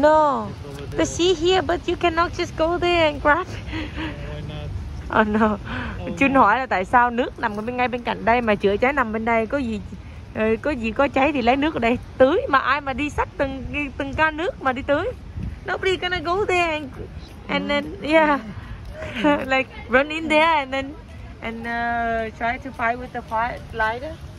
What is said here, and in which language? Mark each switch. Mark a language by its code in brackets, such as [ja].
[en] no, the sea here, but you cannot just go there and grab. Why not? Oh no. [vi] Chun hỏi là tại sao nước nằm bên ngay bên cạnh đây mà chữa cháy nằm bên đây, có gì có cháy thì lấy nước ở đây tưới, mà ai mà đi xách từng ca nước mà đi tưới? [en] Nobody gonna go there and then yeah. Like run in there and then try to fight with the fire lighter.